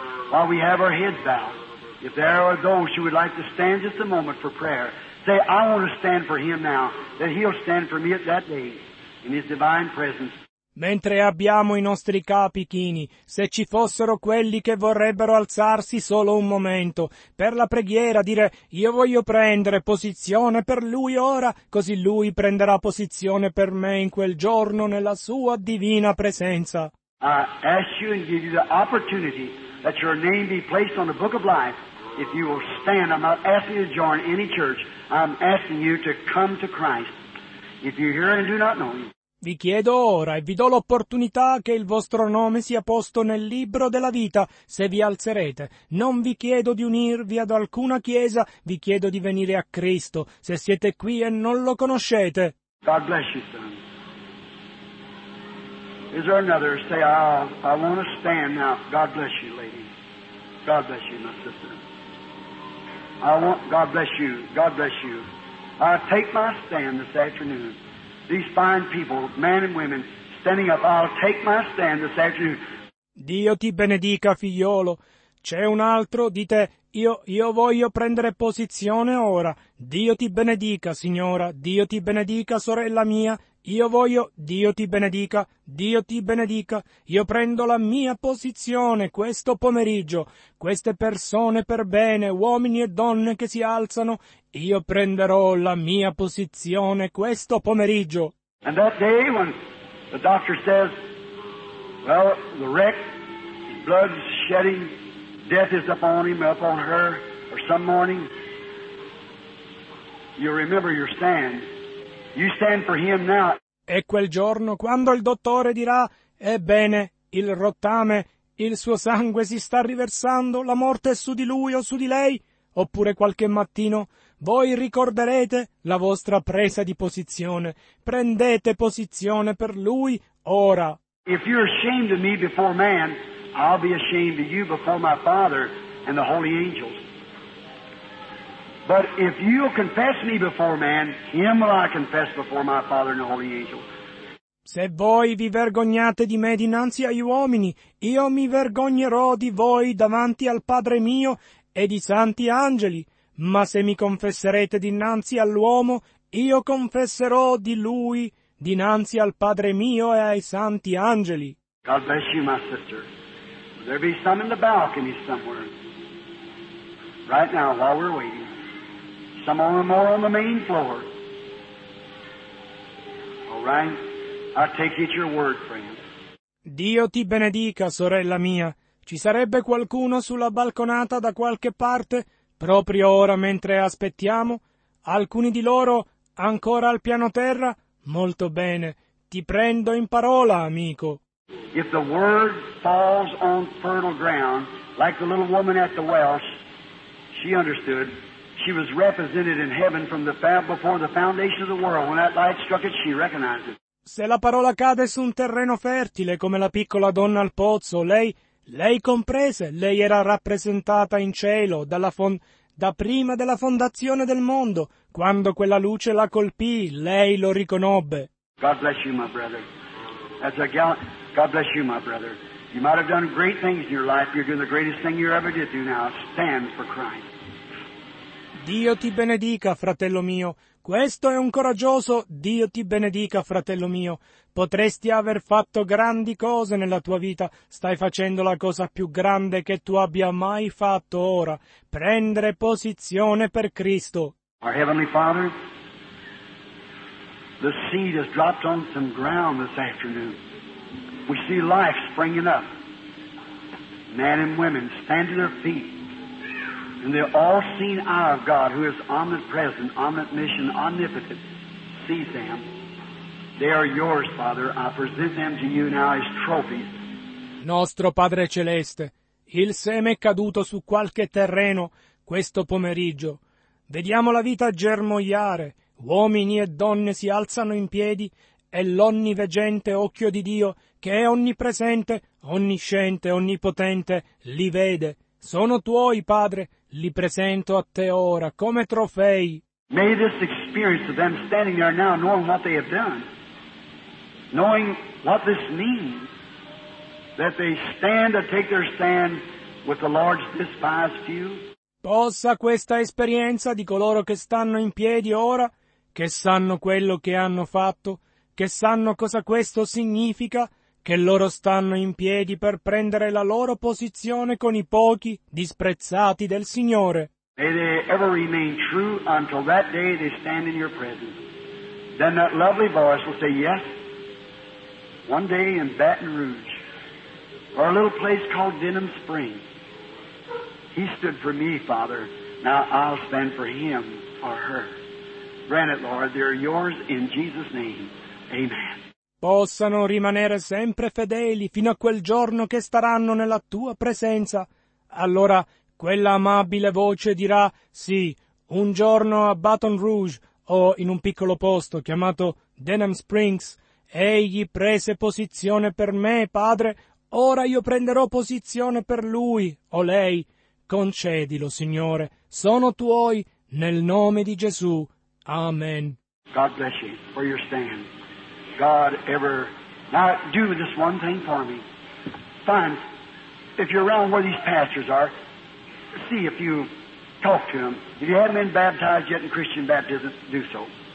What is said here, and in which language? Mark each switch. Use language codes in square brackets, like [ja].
[en] While we have our heads bowed, if there are those who would like to stand just a moment for prayer, say, I want to stand for Him now, that He'll stand for me at that day, in His divine presence. [it] Mentre abbiamo i nostri capi chini, se ci fossero quelli che vorrebbero alzarsi solo un momento, per la preghiera dire, io voglio prendere posizione per Lui ora, così Lui prenderà posizione per me in quel giorno nella Sua divina presenza. [en] I ask you and give you the opportunity that your name be placed on the book of life. if you will stand, I'm not asking you to join any church. I'm asking you to come to Christ. If you're here and do not know him. [it] Vi chiedo ora e vi do l'opportunità che il vostro nome sia posto nel libro della vita se vi alzerete. Non vi chiedo di unirvi ad alcuna chiesa, vi chiedo di venire a Cristo se siete qui e non lo conoscete. [en] God bless you, son. Is there another? Say, I want to stand now. God bless you, lady. God bless you, my sister. I want, God bless you. God bless you. I take my stand this afternoon. These fine people, men and women, standing up, I'll take my stand this afternoon. [it] Dio ti benedica, figliolo. C'è un altro, dite, io voglio prendere posizione ora. Dio ti benedica, signora. Dio ti benedica, sorella mia. Io voglio, Dio ti benedica, Dio ti benedica. Io prendo la mia posizione questo pomeriggio. Queste persone per bene, uomini e donne che si alzano, io prenderò la mia posizione questo pomeriggio. [en] And that day when the doctor says, well, the wreck, blood shedding, death is upon him, upon her, or some morning, you remember your stand. You stand for him now. [it] E quel giorno, quando il dottore dirà, ebbene, il rottame, il suo sangue si sta riversando, la morte è su di lui o su di lei, oppure qualche mattino, voi ricorderete la vostra presa di posizione. Prendete posizione per lui ora. [en] If you're ashamed of me before man, I'll be ashamed of you before my Father and the holy angels. But if you confess me before man, him will I confess before my Father and the holy angels. [it] Se voi vi vergognate di me dinanzi agli uomini, io mi vergognerò di voi davanti al Padre mio e di santi angeli. Ma se mi confesserete dinanzi all'uomo, io confesserò di lui dinanzi al Padre mio e ai santi angeli. [en] God bless you, my sister. Will there be some in the balcony somewhere? Right now, while we're waiting. Some of them are on the main floor. All right, I take it your word, friend. [it] Dio ti benedica, sorella mia. Ci sarebbe qualcuno sulla balconata da qualche parte, proprio ora mentre aspettiamo? Alcuni di loro ancora al piano terra? Molto bene, ti prendo in parola, amico. [en] If the word falls on fertile ground, like the little woman at the well, she understood. She was represented in heaven from the before the foundation of the world. When that light struck it, she recognized it. [it] Se la parola cade su un terreno fertile, come la piccola donna al pozzo, lei comprese, lei era rappresentata in cielo da prima della fondazione del mondo. Quando quella luce la colpì, lei lo riconobbe. [en] God bless you, my brother. That's a gallant. God bless you, my brother. You might have done great things in your life. You're doing the greatest thing you ever did do now. Stand for Christ. [it] Dio ti benedica, fratello mio. Questo è un coraggioso. Dio ti benedica, fratello mio. Potresti aver fatto grandi cose nella tua vita. Stai facendo la cosa più grande che tu abbia mai fatto ora. Prendere posizione per Cristo. [en] Our Heavenly Father, the seed has dropped on some ground this afternoon. We see life springing up. Men and women stand to their feet. And the all-seeing eye of God, who is omnipresent, omniscient, omnipotent, sees them. They are yours, Father. I present them to you now as trophies. [it] Nostro Padre Celeste, il seme è caduto su qualche terreno questo pomeriggio. Vediamo la vita germogliare. Uomini e donne si alzano in piedi e l'onniveggente occhio di Dio, che è onnipresente, onnisciente, onnipotente, li vede. Sono tuoi, Padre. Li presento a te ora come trofei. [en] May this experience of them standing there now, knowing what they have done, knowing what this means, that they stand to take their stand with the Lord's despised few. [it] Possa questa esperienza di coloro che stanno in piedi ora, che sanno quello che hanno fatto, che sanno cosa questo significa, che loro stanno in piedi per prendere la loro posizione con i pochi disprezzati del Signore. [en] May they ever remain true until that day they stand in your presence. Then that lovely voice will say, yes, one day in Baton Rouge, or a little place called Denham Springs, He stood for me, Father. Now I'll stand for him or her. Grant it, Lord. They're yours in Jesus' name. Amen. [it] Possano rimanere sempre fedeli fino a quel giorno che staranno nella tua presenza. Allora quella amabile voce dirà, sì, un giorno a Baton Rouge o in un piccolo posto chiamato Denham Springs, egli prese posizione per me, padre, ora io prenderò posizione per lui o lei. Concedilo, Signore, sono tuoi, nel nome di Gesù. Amen. [en] God bless you for your stand. God ever. Now, do this one thing for me. Find, if you're around where these pastors are, see if you talk to them. If you haven't been baptized yet in Christian baptism, do so.